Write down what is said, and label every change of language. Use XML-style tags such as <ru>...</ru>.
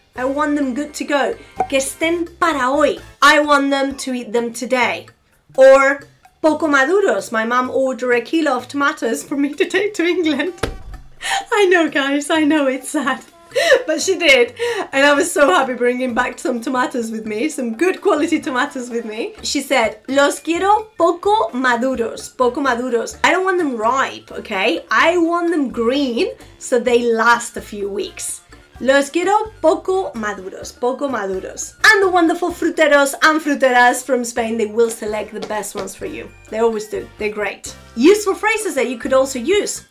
<en>I want them good to go.</en> <es>Que estén para hoy.</es> <en>I want them to eat them today. Or</en> <es>poco maduros.</es> <en>My mom ordered a kilo of tomatoes for me to take to England. I know, guys. I know it's sad. But she did, and I was so happy bringing back some tomatoes with me, some good quality tomatoes with me. She said,</en> <es>los quiero poco maduros, poco maduros.</es> <en>I don't want them ripe, okay? I want them green so they last a few weeks.</en> <es>Los quiero poco maduros, poco maduros.</es> <en>And the wonderful fruteros and fruteras from Spain, they will select the best ones for you. They always do, they're great. Useful phrases that you could also use.</en>